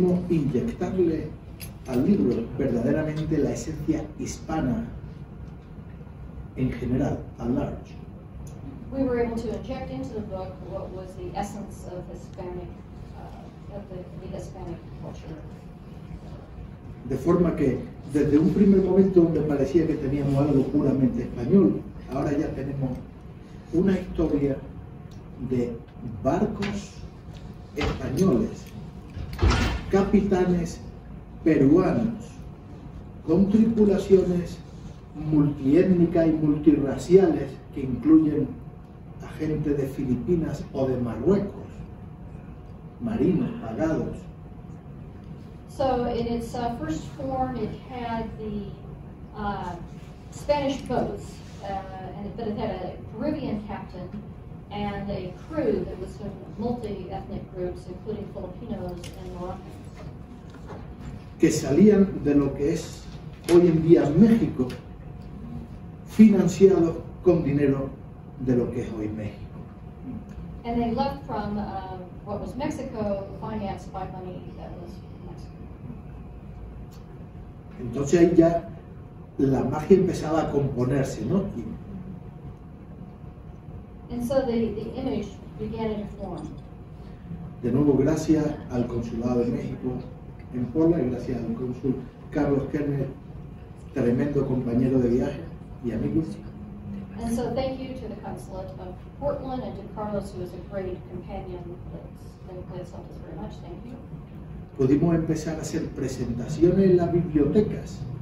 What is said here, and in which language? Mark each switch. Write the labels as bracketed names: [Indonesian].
[Spanish] Pudimos inyectarle al libro verdaderamente la esencia hispana en general, [English] at large. we were able to inject into the book what was the essence of Hispanic, of the Hispanic culture. [Spanish] De forma que desde un primer momento donde parecía que teníamos algo puramente español, ahora ya tenemos una historia de barcos españoles, capitanes peruanos, con tripulaciones multiétnicas y multiraciales que incluyen a gente de Filipinas o de Marruecos, marinos pagados. [English] So in its first form, it had the Spanish boats, but it had a Caribbean captain and a crew that was from multi-ethnic groups, including Filipinos and Moroccans. [Spanish] Que salían de lo que es hoy en día México, financiados con dinero de lo que es hoy México. [English] And they left from what was Mexico, financed by money that was. [Spanish] Entonces ahí ya la magia empezaba a componerse, ¿no? [English] And so the image began to form. [Spanish] De nuevo, gracias al Consulado de México en Puebla y gracias al cónsul Carlos Kerner, tremendo compañero de viaje y amigo. [English] And so thank you to the consulate of Portland and to Carlos, who is a great companion that helped us very much. Thank you. [Spanish] Pudimos empezar a hacer presentaciones en las bibliotecas.